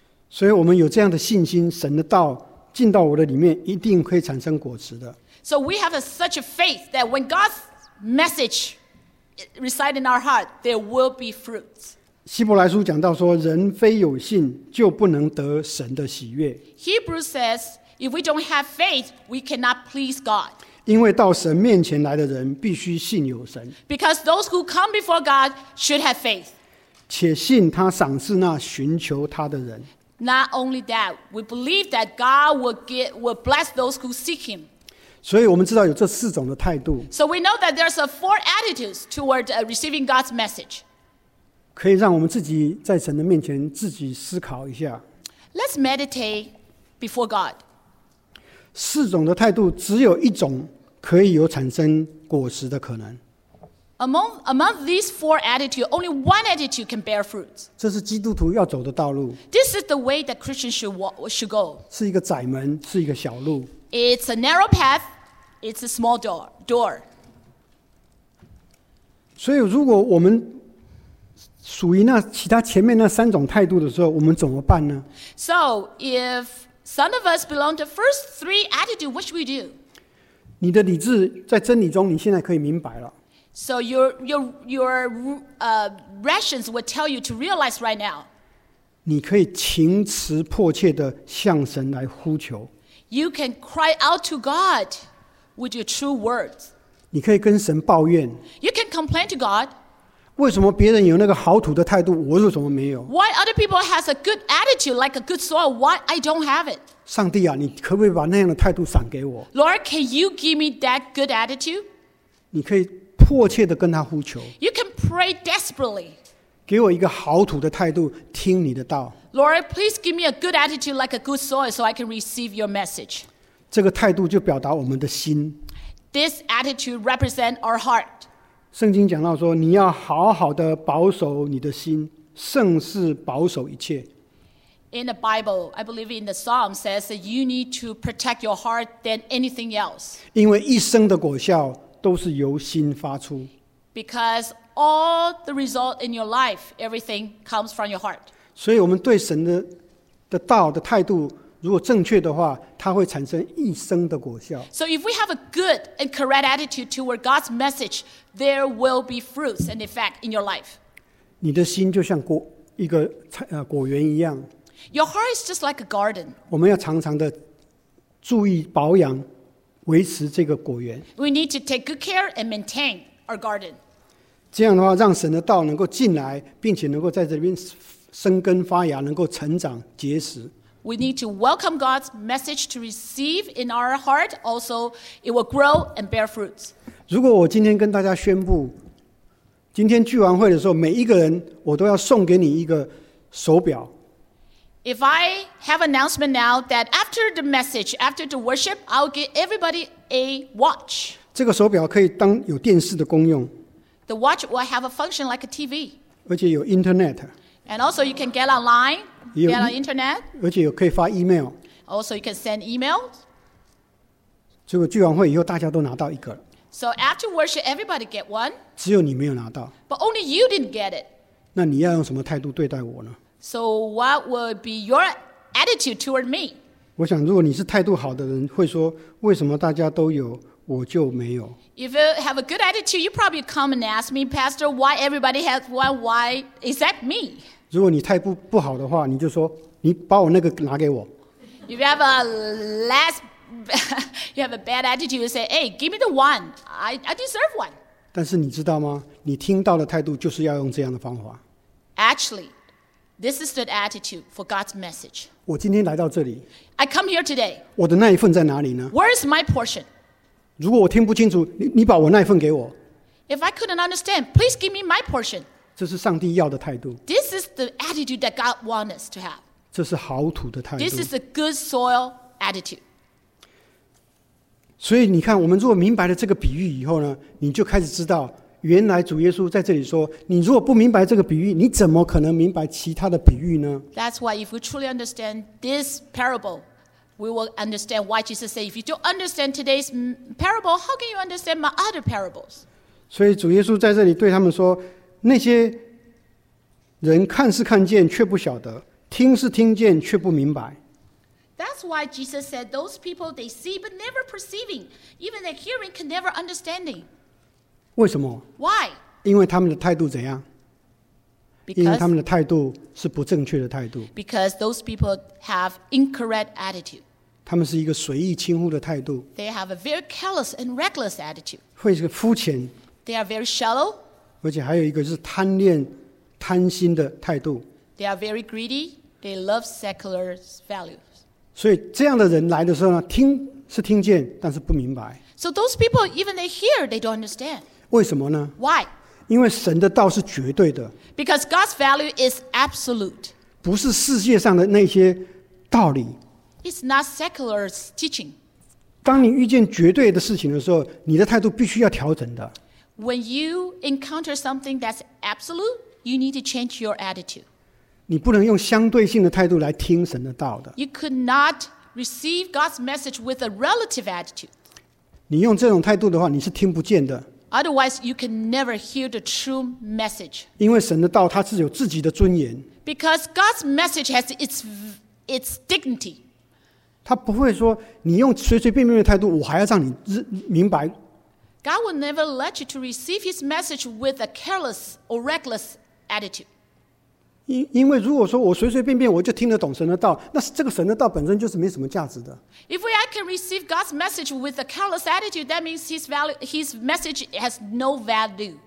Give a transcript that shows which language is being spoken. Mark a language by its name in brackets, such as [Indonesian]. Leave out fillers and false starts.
[Chinese] 所以我们有这样的信心，神的道进到我的里面，一定可以产生果实的。 [English] So we have such a faith that when God's message resides in our heart, there will be fruits. [Chinese] 希伯来书讲到说，人非有信，就不能得神的喜悦。 [English] Hebrews says, if we don't have faith, we cannot please God. [Chinese] 因为到神面前来的人必须信有神。 [English] Because those who come before God should have faith. [Chinese] 且信他赏赐那寻求他的人。 [English] Not only that, we believe that God will bless those who seek him. [Chinese] 所以我们知道有这四种的态度。 [English] So we know that there's four attitudes toward receiving God's message. [Chinese] 可以让我们自己在神的面前自己思考一下。 [English] Let's meditate before God. [Chinese] 四种的态度只有一种可以有产生果实的可能。 [English] Among these four attitudes, only one attitude can bear fruit. [Chinese] 这是基督徒要走的道路。 [English] This is the way that Christians should go. [Chinese] 是一个窄门，是一个小路。 [English] It's a narrow path, it's a small door. [Chinese] 所以如果我们属于那其他前面那三种态度的时候，我们怎么办呢？ [English] So ifSome of us belong to the first three attitudes. What should we do? [Chinese] 你的理智在真理中，你现在可以明白了。 [English] So your rations will tell you to realize right now. [Chinese] 你可以情辞迫切地向神来呼求。 [English] You can cry out to God with your true words. [Chinese] 你可以跟神抱怨。 [English] You can complain to God. [Chinese] 为什么别人有那个好土的态度，我为什么没有？ [English] Why other people has a good attitude like a good soil, why I don't have it? [Chinese] 上帝啊，你可不可以把那样的态度赏给我？ [English] Lord, can you give me that good attitude? [Chinese] 你可以迫切地跟他呼求。 [English] You can pray desperately. [Chinese] 给我一个好土的态度，听你的道。 [English] Lord, please give me a good attitude like a good soil so I can receive your message. [Chinese] 这个态度就表达我们的心。 [English] This attitude represents our heart. [Chinese] 圣经讲到说，你要好好的保守你的心，胜似保守一切。 [English] In the Bible, I believe in the Psalm says that you need to protect your heart than anything else. [Chinese] 因为一生的果效都是由心发出。 [English] Because all the result in your life, everything comes from your heart. [Chinese] 所以我们对神 的道的态度如果正确的话，它会产生一生的果效。 [English] So if we have a good and correct attitude toward God's message, there will be fruits and effect in your life. [Chinese] 你的心就像一个果园一样。 [English] Your heart is just like a garden. [Chinese] 我们要常常的注意保养，维持这个果园。 [English] We need to take good care and maintain our garden. [Chinese] 这样的话，让神的道能够进来，并且能够在这边生根发芽，能够成长结实。 [English] We need to welcome God's message to receive in our heart. Also, it will grow and bear fruits. [Chinese] 如果我今天跟大家宣布，今天聚完会的时候，每一个人我都要送给你一个手表。 [English] If I have announcement now that after the message, after the worship, I'll give everybody a watch. [Chinese] 这个手表可以当有电视的功用。 [English] The watch will have a function like a TV. [Chinese] 而且有 Internet. [English] And also, you can get online. [Chinese] 有 [English] internet, [Chinese] 而且可以发 email. [English] Also, you can send emails. [Chinese] 结果聚完会以后，大家都拿到一个。 [English] So after worship, everybody get one. [Chinese] 只有你没有拿到。 [English] But only you didn't get it. [Chinese] 那你要用什么态度对待我呢 [English] ？So what would be your attitude toward me? [Chinese] 我想，如果你是态度好的人，会说为什么大家都有，我就没有 [English] ？If you have a good attitude, you probably come and ask me, Pastor, why everybody has one, why except me? [Chinese] 如果你态度不好的话，你就说你把我那个拿给我。 [English] If you have a less, you have a bad attitude, you say, "Hey, give me the one. I deserve one." [Chinese] 但是你知道吗？你听到的态度就是要用这样的方法。 [English] Actually, this is the attitude for God's message. [Chinese] 我今天来到这里。 [English] I come here today. [Chinese] 我的那一份在哪里呢 [English] ？Where is my portion? [Chinese] 如果我听不清楚，你把我那一份给我。 [English] If I couldn't understand, please give me my portion. [Chinese] 这是上帝要的态度。 [English] This is the attitude that God wants us to have. [Chinese] 这是好土的态度。 [English] This is a good soil attitude. [Chinese] 所以你看，我们如果明白了这个比喻以后呢，你就开始知道，原来主耶稣在这里说，你如果不明白这个比喻，你怎么可能明白其他的比喻呢 [English] ？That's why if we truly understand this parable, we will understand why Jesus said, if you don't understand today's parable, how can you understand my other parables? [Chinese] 所以主耶稣在这里对他们说。那些人看是看见却不晓得，听是听见却不明白。 [English] That's why Jesus said those people they see but never perceiving, even their hearing can never understanding. [Chinese] 为什么 [English] ？Why？ [Chinese] 因为他们的态度怎样 [English] ？Because [Chinese] 因为他们的态度是不正确的态度。 [English] Because those people have incorrect attitude. [Chinese] 他们是一个随意轻忽的态度。 [English] They have a very careless and reckless attitude. [Chinese] 会是个肤浅。 [English] They are very shallow. [Chinese] 而且还有一个是贪恋贪心的态度。 [English] They are very greedy. They love secular values. [Chinese] 所以这样的人来的时候呢，听是听见，但是不明白。 [English] So those people, even they hear, they don't understand. [Chinese] 为什么呢 [English] ？Why？ [Chinese] 因为神的道是绝对的。 [English] Because God's value is absolute. [Chinese] 不是世界上的那些道理。 [English] It's not secular teaching. [Chinese] 当你遇见绝对的事情的时候，你的态度必须要调整的。 [English] When you encounter something that's absolute, you need to change your attitude. [Chinese] 你不能用相对性的态度来听神的道的。 [English] You could not receive God's message with a relative attitude. [Chinese] 你用这种态度的话，你是听不见的。 [English] Otherwise, you can never hear the true message. [Chinese] 因为神的道它是有自己的尊严。 [English] Because God's message has its dignity. [Chinese] 他不会说你用随随便便的态度，我还要让你明白。 [English] God will never let you to receive His message with a careless or reckless attitude. [Chinese] 因为如果说我随随便便我就听得懂神的道，那这个神的道本身就是没什么价值的。 [English] If I can receive God's message with a careless attitude, that means His message has no value.